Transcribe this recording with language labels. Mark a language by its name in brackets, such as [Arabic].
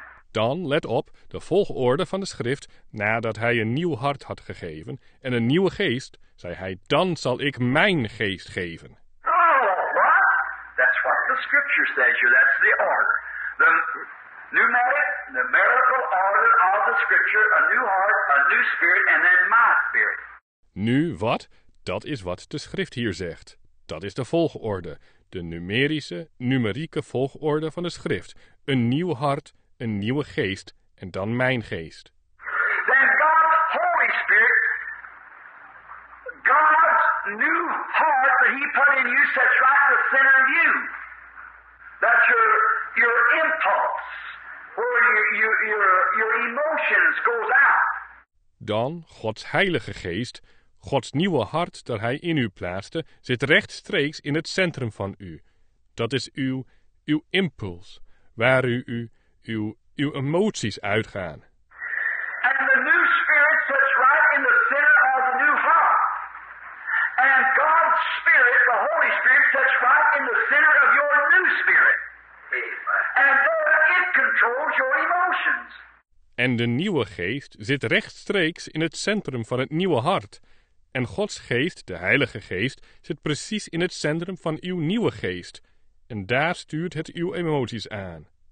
[Dutch] Dan, let op, de volgorde van de schrift, nadat hij een nieuw hart had gegeven en een nieuwe geest, zei hij, dan zal ik mijn geest geven. [English] Oh, what? That's what the scripture says you, that's the order. The pneumatic, the miracle order of the scripture, a new heart, a new spirit, and then my spirit. [Dutch] Nu, wat? Dat is wat de schrift hier zegt. Dat is de volgorde, de numerieke volgorde van de schrift, een nieuw hart, een nieuwe geest en dan mijn geest. [English] Then God's Holy Spirit, God's new heart that He put in you sets right the center of you. That's your impulse, where your emotions goes out. [Dutch] Dan God's Heilige Geest, God's nieuwe hart dat Hij in u plaatste, zit rechtstreeks in het centrum van u. Dat is uw impuls, waar uw emoties uitgaan. [English] And the new spirit sits right in the center of the new heart. And God's spirit, the Holy Spirit, sits right in the center of your new spirit. And there it controls your emotions. [Dutch] En de nieuwe geest zit rechtstreeks in het centrum van het nieuwe hart. En Gods geest, de Heilige Geest, zit precies in het centrum van uw nieuwe geest. En daar stuurt het uw emoties aan.